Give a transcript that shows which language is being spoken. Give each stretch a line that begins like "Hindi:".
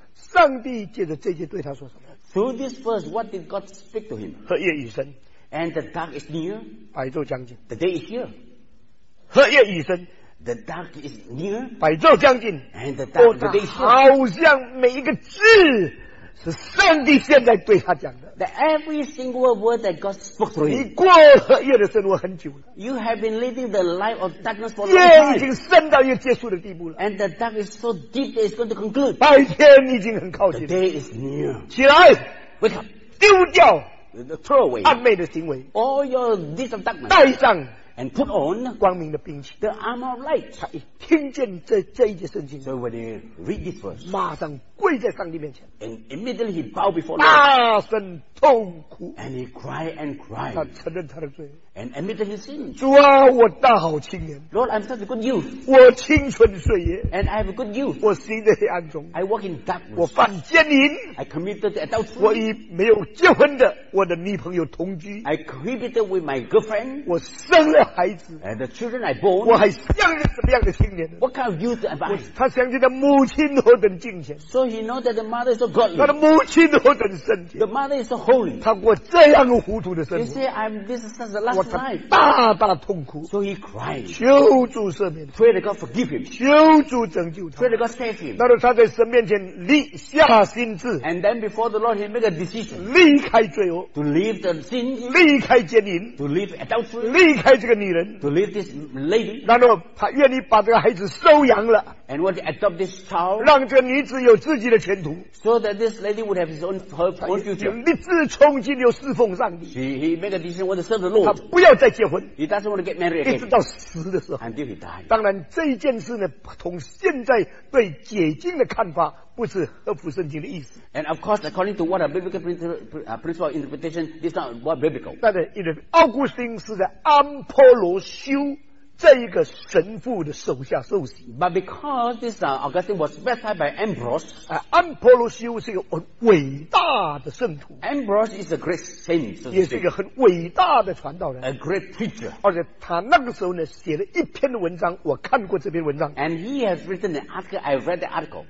Chinese: 上帝借着这一节对他说什么
English: ？Through this verse, what did God speak to him?
Chinese: 何夜已深。
English: And the dark is near.
Chinese: 白昼将近。
English: The day is here.
Chinese: 何夜已深。
English: The dark is near.
Chinese: 白昼将近
English: And the dark is near.
Chinese: 好像每一个字是上帝现在对他讲的
English: That every single word that God spoke to him.
Chinese: 你过黑夜的生活很久了
English: You have been living the life of darkness for a long time.
Chinese: 夜已经深到要结束的地步了
English: And the dark is so deep that it's going to conclude.
Chinese: 白天已经很靠近了
English: The day is near.
Chinese: 起来
English: Wake up.
Chinese: 丢掉
English: Throw away.
Chinese: 暗昧的行为
English: All your deeds of darkness.
Chinese: 戴上
English: And put on
Chinese: 光明的兵器
English: the armor of light.
Chinese: 他一听见这一节圣经
English: so when he read this verse,
Chinese: 马上跪在上帝面前
English: and immediately he bowed before
Chinese: 大声痛哭
English: and he cried and cried.
Chinese: 他承认他的罪
English: and admitted his sin.
Chinese: 主啊，我大好青年
English: Lord, I'm such a good youth.
Chinese: 我青春岁月
English: and I have a good youth.
Chinese: 我行在黑暗中
English: I walk in darkness.
Chinese: 我犯奸淫
English: I committed adultery.
Chinese: 我与没有结婚的我的女朋友同居
English: I cohabited with my girlfriend.
Chinese: 我生了孩子
English: and the children I born,
Chinese: 我还像是什么样的青年
English: What kind of youth am I?
Chinese: 他想起他母亲何等敬虔
English: So he know that the mother is so godly
Chinese: 他的母亲何等圣洁
English: The mother is so holy
Chinese: 他过这样糊涂的生活
English: He say I'm this is the last life
Chinese: 大大痛苦
English: So he cried
Chinese: 求主赦免
English: Pray that God forgive him
Chinese: 求主拯救他
English: Pray that God save him
Chinese: 那时他在神面前立下心志
English: And then before the Lord he make a decision
Chinese: 离开罪恶
English: To leave the sin
Chinese: 离开奸淫
English: To leave adultery
Chinese: 离开这个女人
English: To leave this lady
Chinese: 然后他愿意把这个孩子收养了
English: And want to adopt this child
Chinese: 让这个女子有自己己的前途。
English: So that this lady would have his own her own future.
Chinese: 你自从今就侍奉上帝。
English: He made a decision want to serve the Lord.
Chinese: 他不要再结婚。
English: He doesn't want to get married again.
Chinese: 一直到死的时候。
English: Until he died.
Chinese: 当然这件事呢，同现在对解经的看法不是合乎圣经的意思。
English: And of course, according to what a biblical principle interpretation, this is not what biblical.
Chinese: 但是因为奥古斯丁是在安波罗修。这一个神父的手下受洗
English: ，But because this Augustine was baptized by Ambrose，
Chinese: 啊，安波罗修是一个很伟大的圣徒
English: ，Ambrose is a great saint，
Chinese: 也是一个很伟大的传道人
English: ，a great preacher，
Chinese: 而且他那个时候呢写了一篇的文章，我看过这篇文章
English: ，and he has written an article， I read the article，